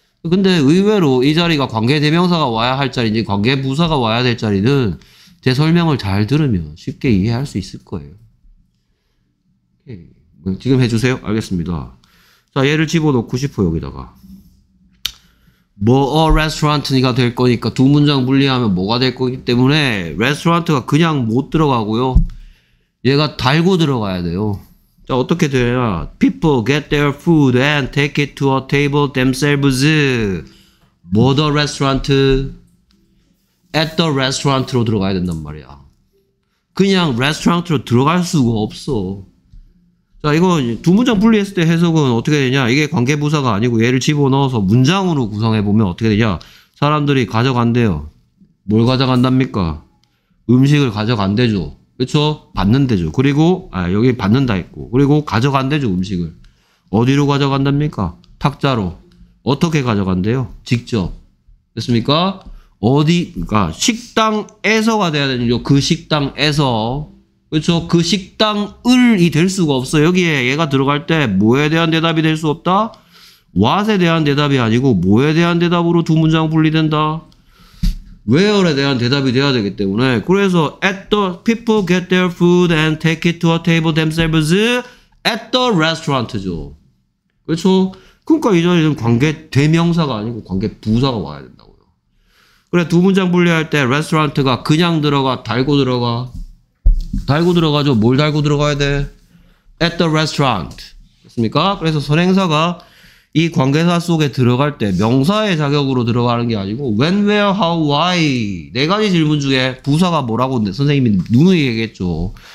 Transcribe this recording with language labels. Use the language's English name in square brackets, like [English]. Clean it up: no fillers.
[Korean] 근데 의외로 이 자리가 관계 대명사가 와야 할 자리인지 관계 부사가 와야 될 자리는 제 설명을 잘 들으면 쉽게 이해할 수 있을 거예요. 오케이. 지금 해주세요. 알겠습니다. 자, 얘를 집어넣고 싶어 여기다가. 뭐 a restaurant가 될 거니까 두 문장 분리하면 뭐가 될 거기 때문에 restaurant가 그냥 못 들어가고요. 얘가 달고 들어가야 돼요. 자, 어떻게 되냐? [English] People get their food and take it to a table themselves. [Korean] 뭐 the restaurant? At the restaurant로 들어가야 된단 말이야. 그냥 restaurant로 들어갈 수가 없어. 자, 이거 두 문장 분리했을 때 해석은 어떻게 되냐? 이게 관계부사가 아니고 얘를 집어넣어서 문장으로 구성해보면 어떻게 되냐? 사람들이 가져간대요. 뭘 가져간답니까? 음식을 가져간대죠. 그렇죠? 받는대죠. 그리고 아 여기 받는다 했고 그리고 가져간대죠 음식을. 어디로 가져간답니까? 탁자로. 어떻게 가져간대요? 직접. 됐습니까? 어디, 그러니까 식당에서가 돼야 되는지, 그 식당에서. 그렇죠? 그 식당을이 될 수가 없어. 여기에 얘가 들어갈 때 뭐에 대한 대답이 될 수 없다? What에 대한 대답이 아니고 뭐에 대한 대답으로 두 문장 분리된다? Where에 대한 대답이 돼야 되기 때문에. [English] 그래서 at the people get their food and take it to a table themselves at the restaurant죠. [Korean] 그렇죠? 그러니까 이 자리는 관계 대명사가 아니고 관계 부사가 와야 된다고요. 그래, 두 문장 분리할 때 restaurant가 그냥 들어가, 달고 들어가. 달고 들어가죠. 뭘 달고 들어가야 돼? [English] At the restaurant. [Korean] 됐습니까? 그래서 선행사가 이 관계사 속에 들어갈 때 명사의 자격으로 들어가는 게 아니고 when, where, how, why 네 가지 질문 중에 부사가 뭐라고 선생님이 누누이 얘기했죠.